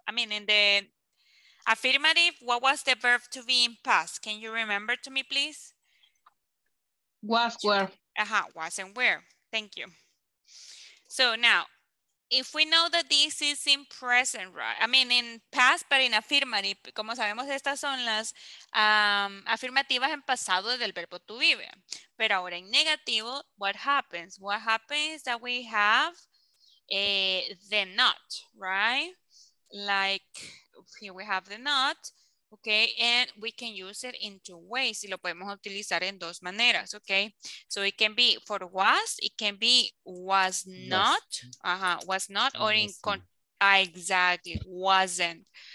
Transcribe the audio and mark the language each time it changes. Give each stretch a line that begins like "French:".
English: In the affirmative, what was the verb to be in past? Can you remember to me, please? Was, were. Uh-huh, was and where. Thank you. So now, if we know that this is in present, right? I mean, in past, but in affirmative.
Spanish: Como sabemos, estas son las afirmativas en pasado del verbo to be. Pero ahora en negativo,
English: what happens? What happens is that we have the not, right? Like, here we have the not, okay? And we can use it in two ways.
Spanish: Y lo podemos utilizar en dos maneras,
English: okay? So it can be for was, it can be was not, was not, or in, exactly, wasn't.